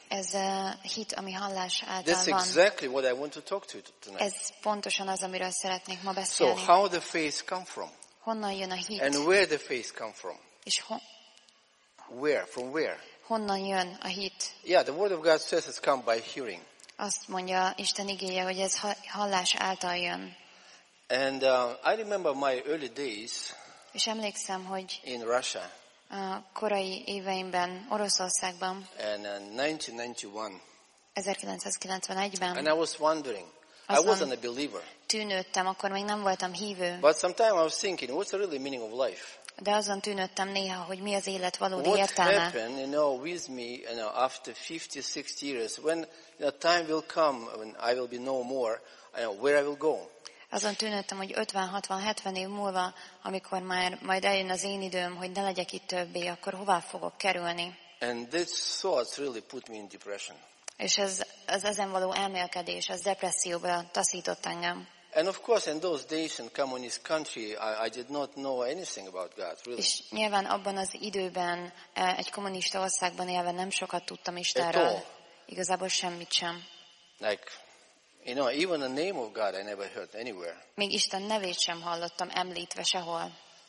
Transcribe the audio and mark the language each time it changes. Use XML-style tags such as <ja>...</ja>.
<hu>Ez a hit, ami hallás által van.</hu> <en>That's exactly what I want to talk to you tonight.</en> <hu>Ez pontosan az, amiről szeretnék ma beszélni.</hu> <en>So how the faith come from?</en> <hu>Honnan jön a hit?</hu> <en>And where the faith come from?</en> <hu>És</hu> <en>where? From where?</en> <hu>Honnan jön a hit?</hu> <en>Yeah, the word of God says it's come by hearing.</en> <hu>Azt mondja Isten igéje, hogy ez hallás által jön.</hu> <en>And I remember my early days.</en> <hu>És emlékszem, hogy</hu> <en>in Russia.</en> <hu>A korai éveimben Oroszországban.</hu> <en>And 1991.</en> <hu>1991-ben.</hu> <en>And I was wondering. I wasn't a believer.</en> <hu>Tűnődtem, akkor még nem voltam hívő.</hu> <en>But sometimes I was thinking, what's the really meaning of life?</en> <hu>De azon tűnődtem néha, hogy mi az élet valódi</hu> <en>what</en> <hu>értelme.</hu> <en>What happened, you know, with me, you know, after 50-60 years, when the time will come when I will be no more, you know, where I will go?</en> <hu>Azon tűnődtem, hogy 50-60-70 év múlva, amikor már majd eljön az én időm, hogy ne legyek itt többé, akkor hová fogok kerülni?</hu> <en>And this thought really put me in depression.</en> <hu>És ez ezen való elmélkedés, ez depresszióba taszított engem.</hu> <en>And of course, in those days in communist country, I did not know anything about God, really.</en> <hu>És nyilván abban az időben, egy kommunista országban élve nem sokat tudtam Istenről. Igazából semmit sem.</hu> <en>Like, you know, even the name of God I never heard anywhere.</en> <hu>Még Isten nevét sem hallottam említve sehol.</hu>